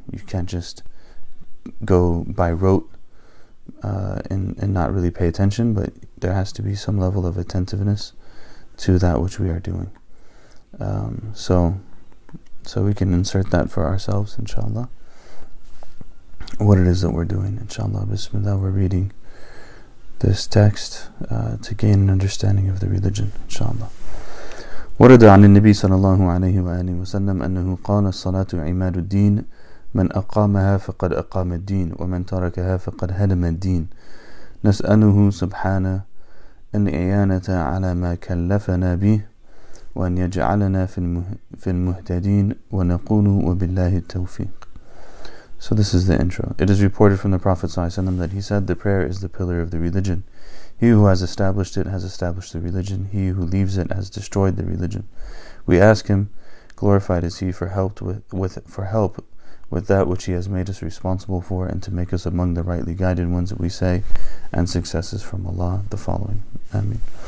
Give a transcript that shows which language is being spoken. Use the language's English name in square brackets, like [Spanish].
[English] You can't just go by rote and not really pay attention, but there has to be some level of attentiveness to that which we are doing. So we can insert that for ourselves, inshallah, what it is that we're doing, inshallah. Bismillah, we're reading this text to gain an understanding of the religion, inshallah. [Arabic] ورد عن النبي صلى الله عليه وآله وسلم أنه قال الصلاة عماد الدين من أقامها فقد أقام الدين ومن تركها فقد هدم الدين نسأله سبحانه أن إعانة على ما كلفنا به وأن يجعلنا في المهتدين ونقول وبالله التوفيق. [English] So this is the intro. It is reported from the Prophet ﷺ that he said, the prayer is the pillar of the religion. He who has established it has established the religion. He who leaves it has destroyed the religion. We ask him, glorified is he, for help with that which he has made us responsible for, and to make us among the rightly guided ones, we say, and successes from Allah, the following. Ameen.